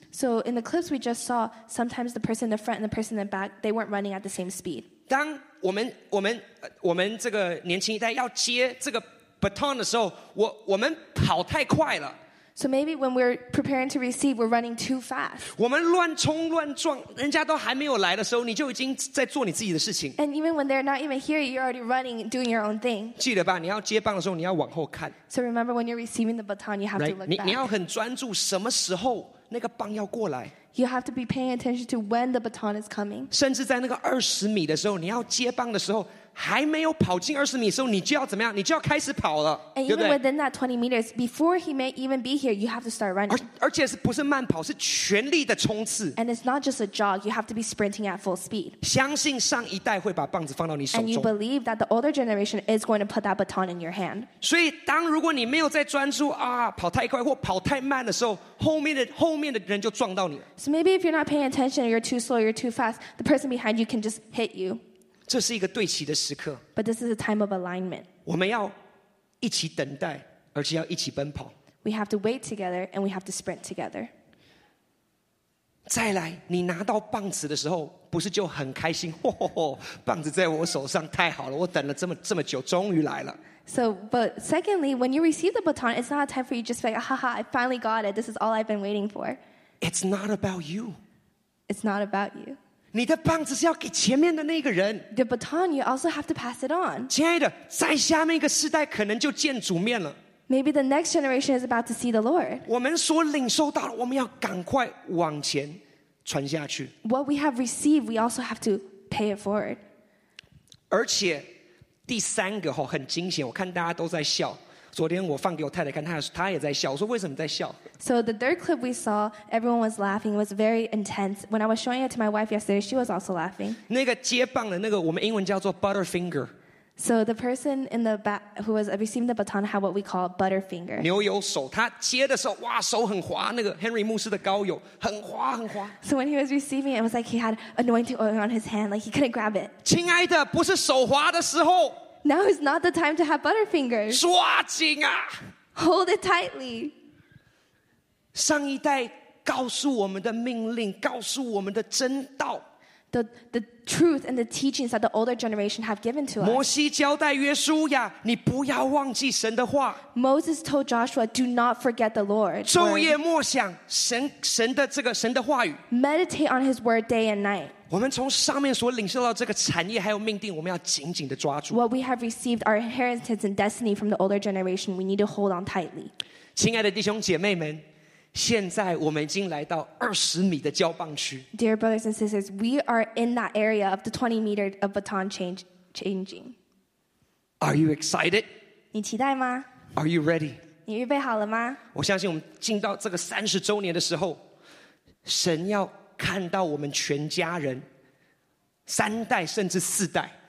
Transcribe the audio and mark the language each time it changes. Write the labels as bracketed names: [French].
[English] So in the clips we just saw, sometimes the person in the front and the person in the back, they weren't running at the same speed. [Chinese] 当我们这个年轻一代要接这个 baton 的时候 我们跑太快了 [English] So maybe when we're preparing to receive We're running too fast [Chinese] 我们乱冲乱撞人家都还没有来的时候你就已经在做你自己的事情 [English] And even when they're not even here You're already running doing your own thing [Chinese] 记得吧你要接棒的时候你要往后看 [English] So remember when you're receiving the baton You have to look back [Chinese] 你要很专注什么时候那个棒要过来 [English] You have to be paying attention to when the baton is coming [Chinese] 甚至在那个20米的时候你要接棒的时候还没有跑进20米的时候你就要怎么样你就要开始跑了 [English] And even within that 20 meters before he may even be here you have to start running [Chinese] 而且不是慢跑是全力的冲刺 [English] And it's not just a jog you have to be sprinting at full speed [Chinese] 相信上一代会把棒子放到你手中 [English] And you believe that the older generation is going to put that baton in your hand [Chinese] 所以当如果你没有在专注啊，跑太快或跑太慢的时候后面的人就撞到你 [English] So maybe if you're not paying attention or you're too slow or you're too fast the person behind you can just hit you [Chinese] 这是一个对齐的时刻 [English] But this is a time of alignment. [Chinese] 我们要一起等待，而且要一起奔跑。 [English] We have to wait together and we have to sprint together. [Chinese] 再来，你拿到棒子的时候，不是就很开心？嚯嚯嚯，棒子在我手上，太好了！我等了这么久，终于来了。 [English] So, but secondly, when you receive the baton, it's not a time for you just like, haha, I finally got it. This is all I've been waiting for. It's not about you. It's not about you. [Chinese] 你的棒子是要给前面的那个人。 [English] The baton you also have to pass it on. [Chinese] 亲爱的，在下面一个世代可能就见主面了。 [English] Maybe the next generation is about to see the Lord. [Chinese] 我们所领受到的，我们要赶快往前传下去。 [English] What we have received, we also have to pay it forward. [Chinese] 而且第三个很惊险，我看大家都在笑。昨天我放给我太太看，她也在笑。我说为什么在笑 [English] ？So the third clip we saw, everyone was laughing. It was very intense. When I was showing it to my wife yesterday, she was also laughing. [Chinese] 那个接棒的那个，我们英文叫做 butterfinger. [English] So the person in the back who was receiving the baton had what we call butterfinger. [Chinese] 牛油手，他接的时候，哇，手很滑。那个 Henry 牧师的膏油很滑很滑。 [English] So when he was receiving it, it was like he had anointing oil on his hand, like he couldn't grab it. [Chinese] 亲爱的，不是手滑的时候。 [English] Now is not the time to have butterfingers. [Chinese] 抓紧啊！ [English] Hold it tightly. [Chinese] 上一代告诉我们的命令，告诉我们的真道。 [English] The truth and the teachings that the older generation have given to us. [Chinese] 摩西交代约书亚，你不要忘记神的话。 [English] Moses told Joshua, "Do not forget the Lord." [Chinese] 昼夜默想神的这个神的话语。 [English] Meditate on His word day and night. [Chinese] 我们从上面所领受到这个产业还有命定，我们要紧紧的抓住。 [English] What we have received, our inheritance and destiny from the older generation, we need to hold on tightly. [Chinese] 亲爱的弟兄姐妹们。现在我们已经来到20米的交棒区。 Dear brothers and sisters, we are in that area of the 20 meters of baton changing. [English] Are you excited? [Chinese] 你期待吗 [English] ？Are you ready? [Chinese] 你预备好了吗？我相信我们进到这个30周年的时候，神要看到我们全家人，三代甚至四代。